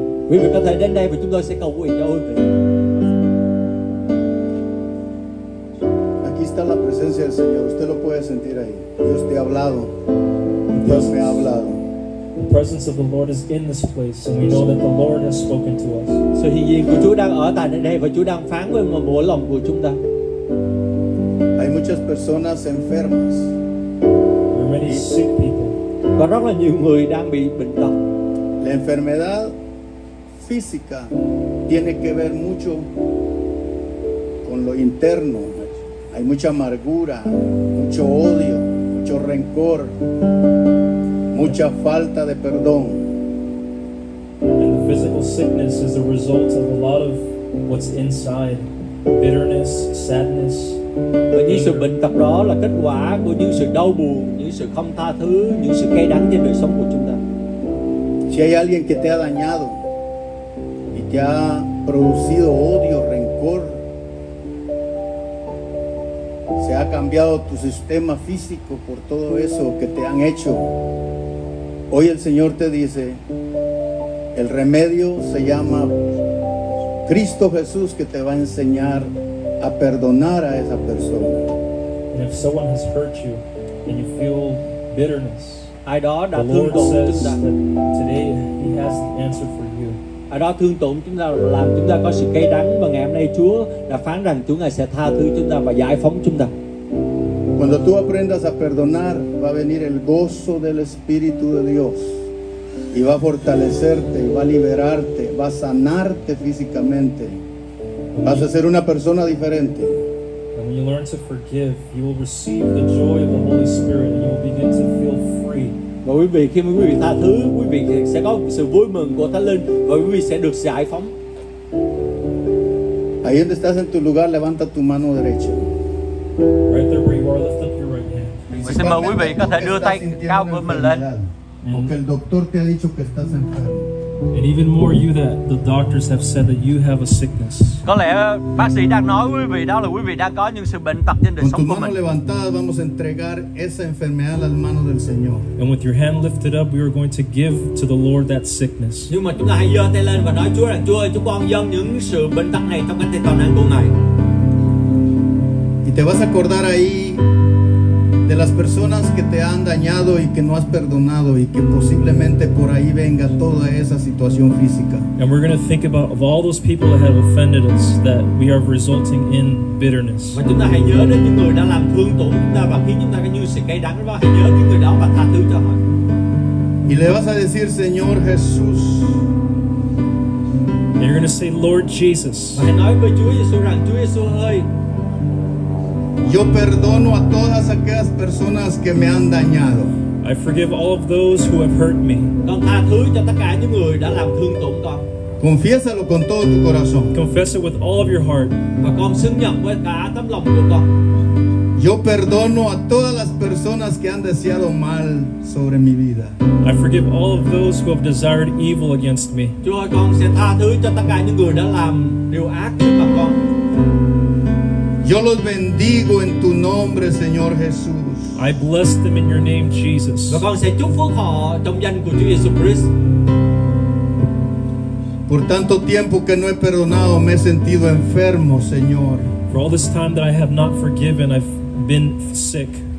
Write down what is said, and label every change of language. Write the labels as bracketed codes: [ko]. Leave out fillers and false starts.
[vi] Quý vị có thể đến đây và chúng tôi sẽ cầu nguyện cho quý vị. [es] Está la presencia del Señor, usted lo puede sentir ahí. Dios te ha hablado. Dios me ha hablado. [en] The presence of the Lord is in this place, and we know that the Lord has spoken to us. [vi] Sự hiện diện của Chúa đang ở tại đây và Chúa đang phán với mỗi lòng của chúng ta. [es] Hay muchas personas enfermas. [en] There are many sick people. [vi] Có rất là nhiều người đang bị bệnh tật. [es] La enfermedad física tiene que ver mucho con lo interno. Hay mucha amargura, mucho odio, mucho rencor, mucha falta de perdón. [en] And the physical sickness is a result of a lot of what's inside, bitterness, sadness. [vi] Và những sự bệnh tật đó là kết quả của những sự đau buồn, những sự không tha thứ, những sự cay đắng trên đời sống của chúng ta. [es] Si hay alguien que te ha dañado y te ha producido odio, rencor, se ha cambiado tu sistema físico por todo eso que te han hecho. Hoy el Señor te dice, el remedio se llama Cristo Jesús, que te va a enseñar a perdonar a esa persona. [en] And if someone has hurt you and you feel bitterness, [vi] ai đó đã [en] the Lord [vi] thương [en] says that today He has the answer for you. [vi] Ai đó thương tổn chúng ta làm chúng ta có sự cay đắng, và ngày hôm nay Chúa đã phán rằng Chúa Ngài sẽ tha thứ chúng ta và giải phóng chúng ta. [es] Cuando tú aprendas a perdonar, va a venir el gozo del Espíritu de Dios y va a fortalecerte, va a liberarte, va a sanarte físicamente. Vas a ser una persona diferente. [en] And when you learn to forgive, you will receive the joy of the Holy Spirit and you will begin to feel free. [vi] Và quý vị, khi mà quý vị tha thứ, quý vị sẽ có sự vui mừng của Thánh Linh và quý vị sẽ được giải phóng. [es] Ahí donde estás en tu lugar, levanta tu mano derecha. [en] Right there where you are, lift up your right hand. [vi] Xin mời quý vị có thể đưa tay cao của mình lên. [es] Porque el doctor te ha dicho que estás enfermo. [en] And even more you that the doctors have said that you have a sickness. [vi] Có lẽ bác sĩ đang nói quý vị đó là quý vị đã có những sự bệnh tật trên đời sống của mình. [es] Levantada, vamos a entregar esa enfermedad a las manos del Señor. [en] And with your hand lifted up, we are going to give to the Lord that sickness. [vi] Nhưng mà chúng ta hãy giơ tay lên và nói Chúa rằng Chúa ơi, chúng con dâng những sự bệnh tật này trong cánh tay toàn năng của Ngài. [es] Y te vas a acordar ahí de las personas que te han dañado y que no has perdonado y que posiblemente por ahí venga toda esa situación física. [en] And we're going to think about of all those people that have offended us that we are resulting in bitterness. [vi] Và chúng ta hãy nhớ đến những người đã làm thương tổn chúng ta và khiến chúng ta có như sự cay đắng, và hãy nhớ những người đó và tha thứ cho họ. [es] Y le vas a decir, Señor Jesús. [en] And you're going to say, Lord Jesus. [vi] Và hãy nói với Chúa Giêsu rằng, Chúa Giêsu ơi, [es] yo perdono a todas aquellas personas que me han dañado. [en] I forgive all of those who have hurt me. [vi] Con tha thứ cho tất cả những người đã làm thương tổn con. [es] Confiésalo con todo tu corazón. [en] Confess it with all of your heart. [vi] Và con xưng nhận với cả tấm lòng của con. [es] Yo perdono a todas las personas que han deseado mal sobre mi vida. [en] I forgive all of those who have desired evil against me. [vi] Chúa ơi, con sẽ tha thứ cho tất cả những người đã làm điều ác trước mặt con. [es] Yo los bendigo en tu nombre, Señor Jesús. [en] I bless them in your name, Jesus. [vi] Và con sẽ chúc phúc họ trong danh của Chúa Jesus Christ. [es] Por tanto tiempo que no he perdonado, me he sentido enfermo, Señor. [en] For all this time that I have not forgiven, I've been sick.